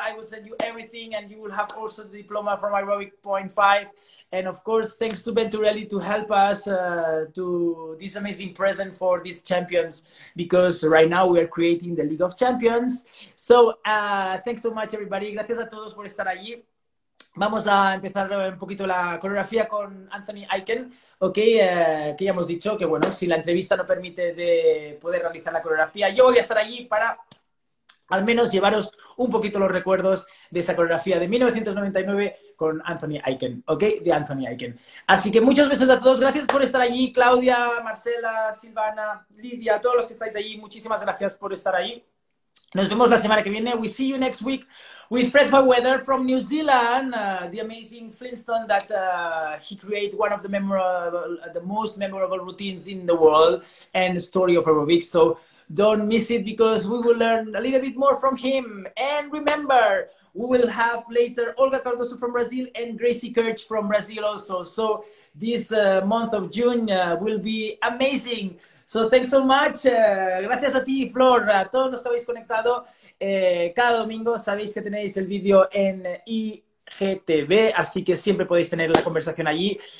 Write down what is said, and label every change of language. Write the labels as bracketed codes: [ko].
[en] I will send you everything, and you will have also the diploma from Aerobic 0.5. And of course, thanks to Venturelli to help us to this amazing present for these champions, because right now we are creating the League of Champions. So thanks so much, everybody. [es] Gracias a todos por estar allí. Vamos a empezar un poquito la coreografía con Anthony Aiken, okay, que ya hemos dicho que, bueno, si la entrevista no permite de poder realizar la coreografía, yo voy a estar allí para al menos llevaros un poquito los recuerdos de esa coreografía de 1999 con Anthony Aiken, okay, de Anthony Aiken. Así que muchos besos a todos, gracias por estar allí, Claudia, Marcela, Silvana, Lidia, todos los que estáis allí, muchísimas gracias por estar allí. Nos vemos la semana que viene. [en] We see you next week with Fred Mayweather from New Zealand, the amazing Flintstone that he created one of the most memorable routines in the world and story of aerobics. So don't miss it, because we will learn a little bit more from him. And remember, we will have later Olga Cardoso from Brazil and Gracie Kirch from Brazil also. So this month of June will be amazing. So thanks so much. [es] Gracias a ti, Flor, a todos los que habéis conectado. Cada domingo sabéis que tenéis el vídeo en IGTV, así que siempre podéis tener la conversación allí.